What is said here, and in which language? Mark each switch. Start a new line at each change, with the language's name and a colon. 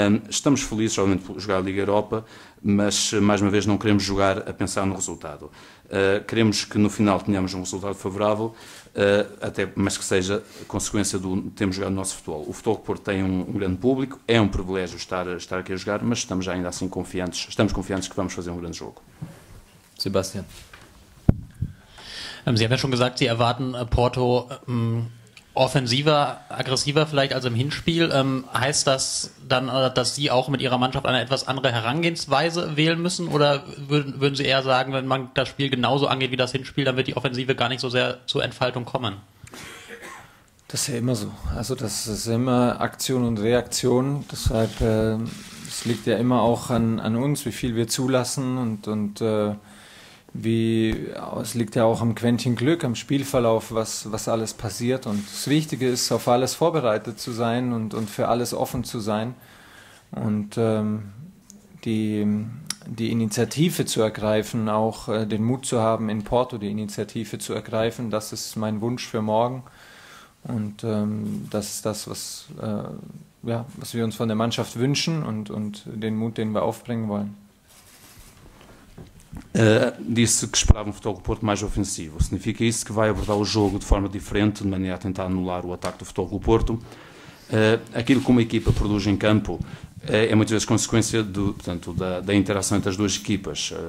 Portuguese: Estamos felizes, obviamente, por jogar a Liga Europa, mas, mais uma vez, não queremos jogar a pensar no resultado. Queremos que no final tenhamos um resultado favorável, até, mas que seja consequência de termos jogado o nosso futebol. O Futebol Porto tem um grande público, é um privilégio estar aqui a jogar, mas estamos ainda assim confiantes, estamos confiantes que vamos fazer um grande jogo. Sebastian.
German: Sie haben ja schon gesagt, Sie erwarten Porto offensiver, aggressiver vielleicht als im Hinspiel. Heißt das dann, dass Sie auch mit Ihrer Mannschaft eine etwas andere Herangehensweise wählen müssen? Oder würden Sie eher sagen, wenn man das Spiel genauso angeht wie das Hinspiel, dann wird die Offensive gar nicht so sehr zur Entfaltung kommen? Das ist ja immer so. Also das ist immer Aktion und Reaktion. Deshalb, es liegt ja immer auch an uns, wie viel wir zulassen es liegt ja auch am Quäntchen Glück, am Spielverlauf, was alles passiert. Und das Wichtige ist, auf alles vorbereitet zu sein und für alles offen zu sein und die Initiative zu ergreifen, auch den Mut zu haben, in Porto die Initiative zu ergreifen. Das ist mein Wunsch für morgen und das ist das, was wir uns von der Mannschaft wünschen und den Mut, den wir aufbringen wollen.
Portuguese: Disse que esperava um Futebol Clube do Porto mais ofensivo. Significa isso que vai abordar o jogo de forma diferente, de maneira a tentar anular o ataque do Futebol Clube do Porto. Aquilo que uma equipa produz em campo é muitas vezes consequência da interação entre as duas equipas.